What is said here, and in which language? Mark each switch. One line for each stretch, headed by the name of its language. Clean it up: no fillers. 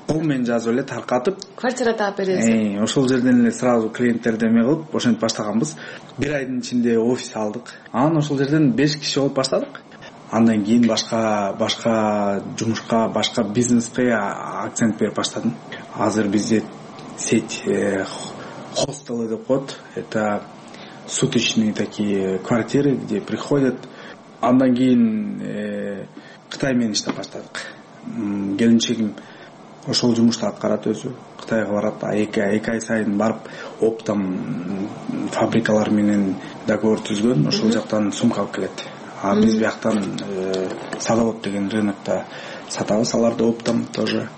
Kyrgyz: Кол менен жазып эле таркатып, квартира таап бересиз. Ошол жерден эле сразу клиенттерди эме кылып, ошентип баштаганбыз. Бир айдын ичинде офис алдык. Анан ошол жерден 5 киши болуп баштадык. Андан кийин башка жумушка, башка бизнеске акцент берип баштадым. Азыр бизде
Russian: сеть хостелы
Kyrgyz: деп коет.
Russian: Это суточные такие квартиры, где приходят.
Kyrgyz: Андан кийин Кытай менен иштеп баштадык. Келинчегим ошол жумушту аткарат өзү. Кытайга барат, эки ай сайын барып оптом фабрикалар менен договор түзгөн, ошол жактан сумка алып келет. А биз бияктан Садовод деген рынокто сатабыз, аларды оптом тоже.